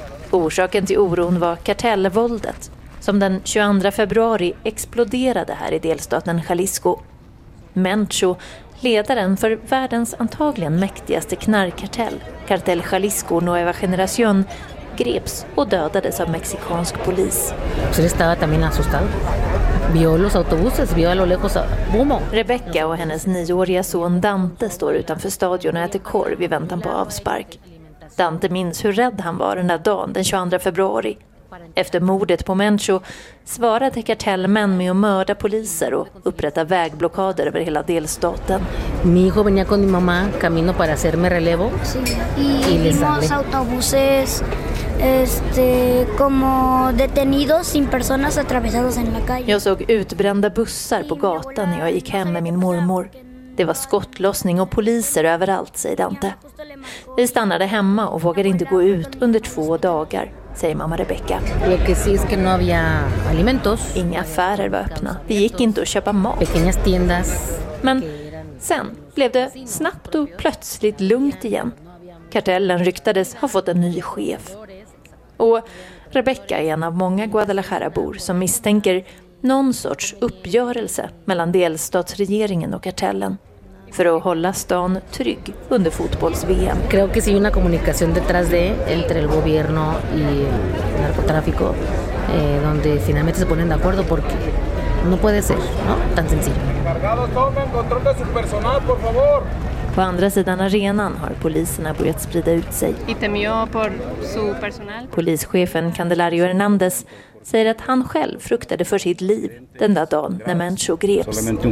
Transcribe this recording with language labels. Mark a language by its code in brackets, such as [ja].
[sv] Orsaken till oron var kartellvåldet som den 22 februari exploderade här i delstaten Jalisco. Mencho, ledaren för världens antagligen mäktigaste knarkkartell, Cartel Jalisco Nueva Generación, greps och dödades av mexikansk polis. Så det var [es] también asustado. Vio los autobuses, vio a lo lejos humo. [sv] Rebecca och hennes 9-åriga son Dante står utanför stadion och äter korv i väntan på avspark. Dante minns hur rädd han var den där dagen, den 22 februari. Efter mordet på Mencho svarade kartellmän med att mörda poliser och upprätta vägblockader över hela delstaten. [es] Mi hijo venía con mi mamá camino para hacerme relevo. Sí. Y vimos autobuses como detenidos sin personas atravesados en la calle. [sv] Jag såg utbrända bussar på gatan när jag gick hem med min mormor. Det var skottlossning och poliser överallt, säger Dante. Vi stannade hemma och vågade inte gå ut under 2 dagar, säger mamma Rebecca. [es] Lo que sí es que no había alimentos. [sv] Inga affärer var öppna. Det gick inte att köpa mat. [es] Pequeñas tiendas. [sv] Men sen blev det snabbt och plötsligt lugnt igen. Kartellen ryktades ha fått en ny chef. Och Rebecca är en av många Guadalajara-bor som misstänker någon sorts uppgörelse mellan delstatsregeringen och kartellen för att hålla stan trygg under fotbolls-VM. [es] Creo que sí una comunicación detrás de entre el gobierno y el narcotráfico donde finalmente se ponen de acuerdo porque no puede ser, ¿no? Tan sencillo. Encargados, tomen control de su personal, por favor. [sv] På andra sidan arenan har poliserna börjat sprida ut sig. [es] Y temió por su personal. [sv] Polischefen Candelario Hernández säger att han själv fruktade för sitt liv den där dagen när Mencho greps.